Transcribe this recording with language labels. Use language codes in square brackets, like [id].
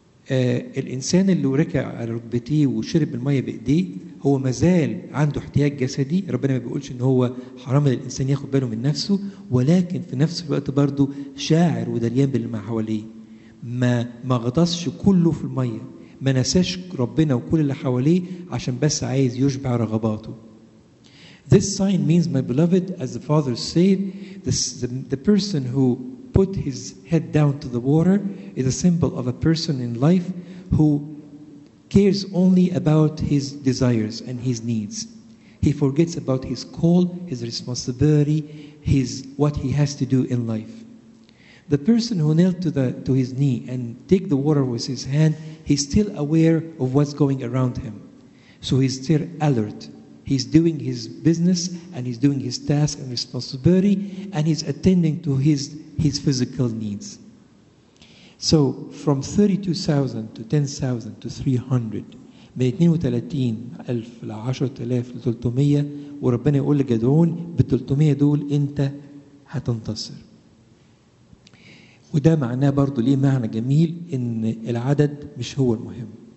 [ar] الإنسان اللي ركع على ركبتيه وشرب المية بإيديه هو مازال عنده احتياج جسدي. ربنا ما بيقولش إن هو حرام للإنسان ياخد باله من نفسه، ولكن في نفس الوقت برضو شاعر ودليان بالما حواليه، ما غطسش كله في المية، ما نساش ربنا وكل اللي حواليه عشان بس عايز يشبع رغباته. [en] This sign means, my beloved, as the father said, the person who put his head down to the water is a symbol of a person in life who cares only about his desires and his needs. He forgets about his call, his responsibility, his what he has to do in life. The person who knelt to his knee and take the water with his hand, he's still aware of what's going around him. So he's still alert. He's doing his business and he's doing his task and responsibility and he's attending to his physical needs. So from 32,000 to 10,000 to 300, [ar] من 32,000 ل 10,000 ل 300، وربنا يقول لجدعون بال 300 دول انت هتنتصر. وده معناه برضو ليه معنى جميل إن العدد مش هو المهم.